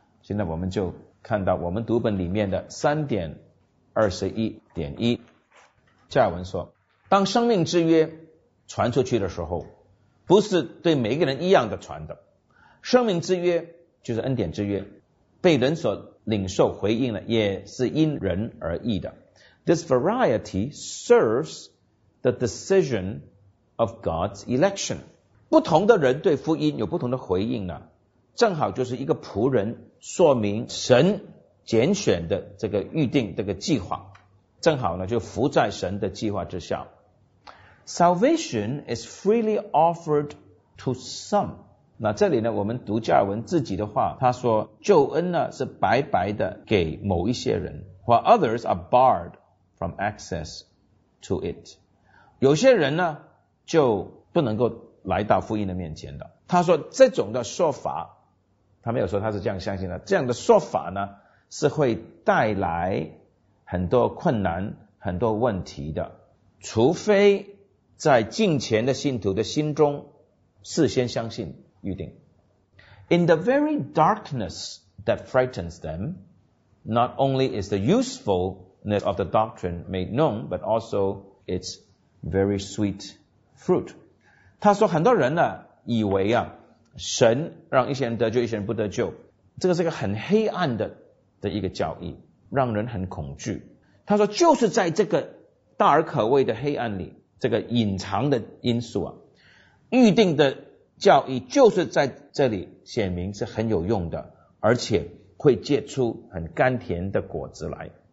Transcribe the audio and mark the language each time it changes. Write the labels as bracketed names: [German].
[Chinese] 现在我们就看到我们读本里面的 3.21.1 加尔文说，当生命之约传出去的时候，不是对每个人一样的传的。生命之约就是恩典之约，被人所领受回应了，也是因人而异的。 [English] This variety serves the decision of God's election。 [Chinese] 不同的人对福音有不同的回应呢，正好就是一个仆人说明神拣选的这个预定这个计划，正好呢就服在神的计划之下。 [English] Salvation is freely offered to some。 [Chinese] 那这里呢我们读加尔文自己的话，他说救恩呢是白白的给某一些人， [English] while others are barred from access to it。 [Chinese] 有些人呢就不能够来到福音的面前的。他说这种的说法，他没有说他是这样相信的，这样的说法呢是会带来很多困难很多问题的，除非在近前的信徒的心中事先相信预定。 [English] In the very darkness that frightens them, not only is the usefulness of the doctrine made known, but also its very sweet fruit. [Chinese] 他说很多人呢以为啊神让一些人得救一些人不得救，这个是个很黑暗的一个教义，让人很恐惧。他说就是在这个大而可畏的黑暗里，这个隐藏的因素啊，预定的教义就是在这里显明是很有用的，而且会结出很甘甜的果子来。